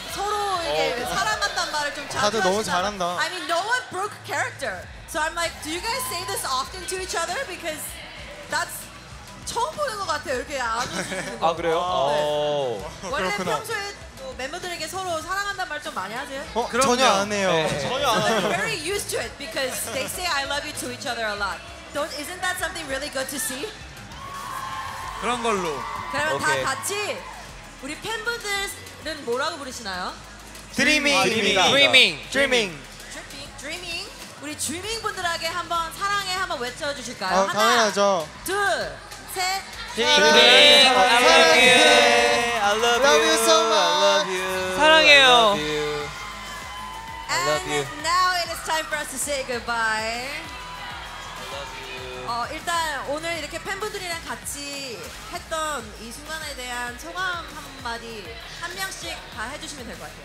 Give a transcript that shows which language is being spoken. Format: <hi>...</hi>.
<ko>서로에게 사랑한단 말을 좀 자주 다들 너무 잘한다.</ko> <en>I mean, no one broke character. So I'm like, do you guys say this often to each other? Because that's</en> <ko>처음 보는 것 같아요. 이렇게 안 웃으시는 거. 아, 그래요? 네. 원래 평소에 뭐 멤버들에게 서로 사랑한다는 말 좀 많이 하세요? 그럼요. 전혀 안 해요. 네. 전혀 안 해요.</ko> <en>So they're very used to it because they say I love you to each other a lot. Don't, isn't that something really good to see?</en> <ko>그런 걸로. 그러면 okay. 다 같이 우리 팬분들은 뭐라고 부르시나요?</ko> <en>Dreaming.</en> <ko>드리밍. 드리밍. 드리밍. 드리밍. 드리밍. 우리 드리밍 분들에게 한번 사랑해 한번 외쳐주실까요? 하나, 당연하죠. 둘, 셋.</ko> <en>드리밍. I love you. I love you. I love you so much. I love you.</en> <ko>사랑해요.</ko> <en>I love you. And now it is time for us to say goodbye. I love you.</en> <ko>일단 오늘 이렇게 팬분들이랑 같이 했던 이 순간에 대한 소감 한마디 한 명씩 다 해주시면 될 것 같아요.</ko>